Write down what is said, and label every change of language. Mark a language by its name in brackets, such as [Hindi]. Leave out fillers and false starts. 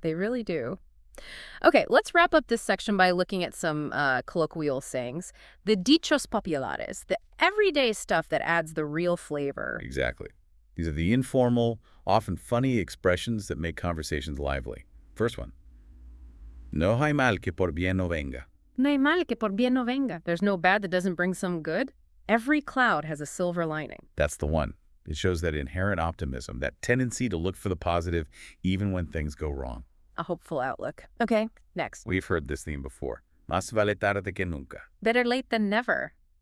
[English] They really do. Okay, let's wrap up this section by looking at some colloquial sayings. The dichos populares, the everyday stuff that adds the real flavor. Exactly. These are the informal, often funny expressions that make conversations lively. First one. [Spanish] No hay mal que por bien no venga. No hay mal que por bien no venga. [English] There's no bad that doesn't bring some good. Every cloud has a silver lining. That's the one. It shows that inherent optimism, that tendency to look for the positive even when things go wrong. A hopeful outlook. Okay, next. We've heard this theme before. [Spanish] Más vale tarde que nunca. [English] Better late than never.